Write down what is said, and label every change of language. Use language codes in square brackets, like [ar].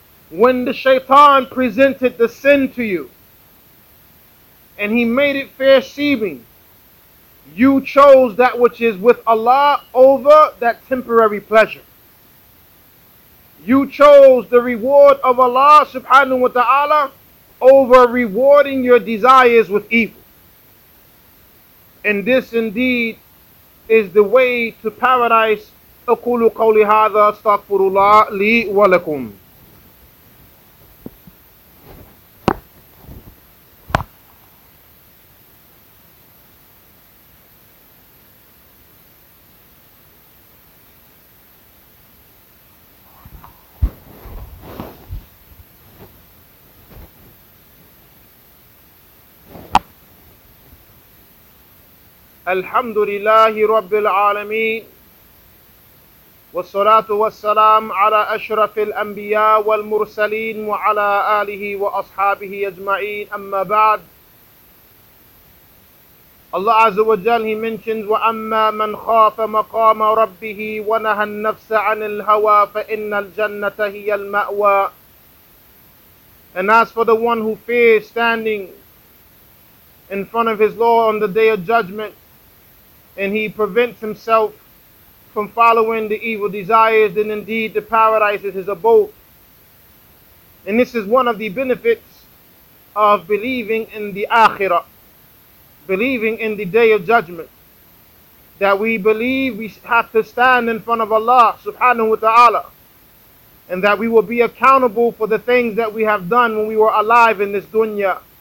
[en] When the shaitan presented the sin to you and he made it fair seeming, you chose that which is with Allah over that temporary pleasure. You chose the reward of Allah subhanahu wa ta'ala over rewarding your desires with evil. And this indeed is the way to paradise. [ar] أقول قولي هذا استغفر الله لي ولكم. الحمد لله رب العالمين. والصلاة والسلام على أشرف الأنبياء والمرسلين وعلى آله وأصحابه أجمعين. أما بعد, الله عز وجل, [en] he mentions, [ar] وأما من خاف مقام ربه ونهى النفس عن الهوى فإن الجنة هي المأوى. [en] And as for the one who fears standing in front of his Lord on the day of judgment, and he prevents himself from following the evil desires, then indeed the paradise is his abode. And this is one of the benefits of believing in the Akhirah, believing in the Day of Judgment, that we believe we have to stand in front of Allah subhanahu wa ta'ala, and that we will be accountable for the things that we have done when we were alive in this dunya.